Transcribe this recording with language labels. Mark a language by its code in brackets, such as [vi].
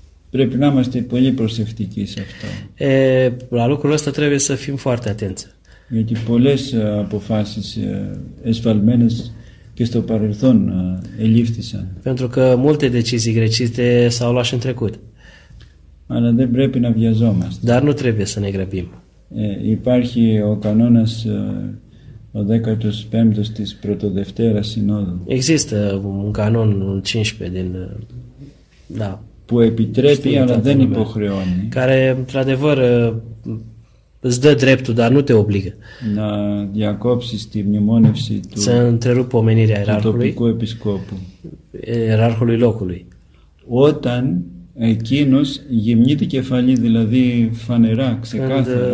[el] Πρέπει να είμαστε πολύ προσεκτικοί σε αυτό. [ro] La lucrul ăsta trebuie să fim foarte atenți. [el] Γιατί πολλές αποφάσεις εσφαλμένες και στο παρελθόν ελήφθησαν. [ro] Pentru că multe decizii greșite s-au luat și în trecut. [el] Αλλά δεν πρέπει να βιαζόμαστε. [ro] Dar nu trebuie să ne grăbim. [el] Υπάρχει ο κανόνας ο 15ος της πρωτοδευτέρας συνόδου. [ro] Există un canon 15 din... Da. [el] Που επιτρέπει, αλλά δεν υποχρεώνει. [ro] Care, într-adevăr, îți dă dreptul, dar nu te obligă. [el] Να διακόψεις τη μνημόνευση του τοπικού επισκόπου. Ιεράρχου λόκουλου. Όταν εκείνος γυμνείται κεφαλή, δηλαδή φανερά, ξεκάθαρα.